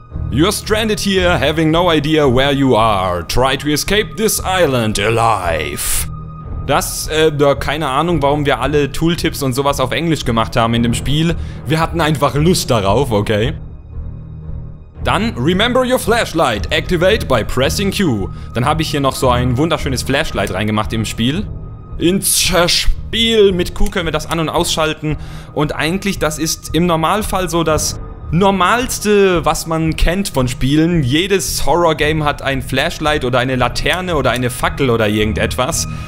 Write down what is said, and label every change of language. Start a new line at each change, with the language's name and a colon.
English: You're stranded here, having no idea where you are. Try to escape this island alive.
German: Keine Ahnung, warum wir alle Tooltips und sowas auf Englisch gemacht haben in dem Spiel. Wir hatten einfach Lust darauf, okay? Dann,
English: remember your flashlight, activate by pressing Q.
German: Dann habe ich hier noch so ein wunderschönes Flashlight reingemacht im Spiel. Ins Spiel, mit Q können wir das an- und ausschalten. Und eigentlich, das ist im Normalfall so das Normalste, was man kennt von Spielen. Jedes Horror-Game hat ein Flashlight oder eine Laterne oder eine Fackel oder irgendetwas.